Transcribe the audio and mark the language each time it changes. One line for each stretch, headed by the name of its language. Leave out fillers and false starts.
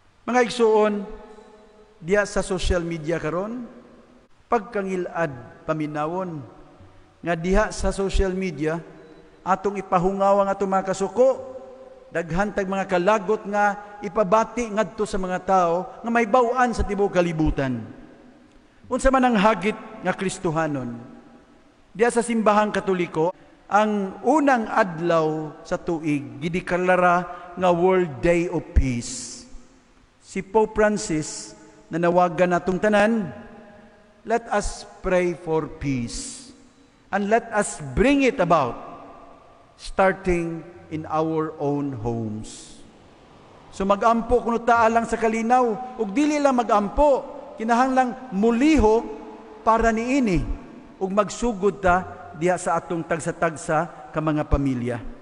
Cebuano: Mga igsoon, diya sa social media karon, pagkangilad paminawon nga diha sa social media atong ipahungaw ang atong mga kasuko, daghan tag mga kalagot nga ipabati ngadto sa mga tao nga may bawaan sa tibuok kalibutan. Unsa man ang hagit nga Kristuhanon? Diya sa simbahang Katoliko, ang unang adlaw sa tuig gidikalara nga World Day of Peace. Si Pope Francis nanawagan natong tanan,
English: "Let us pray for peace and let us bring it about starting in our own homes."
Cebuano: So mag-ampo kuno ta alang sa kalinaw ug dili lang mag-ampo, kinahanglang muliho para niini ug magsugod ta diha sa atong tagsa-tagsa ka mga pamilya.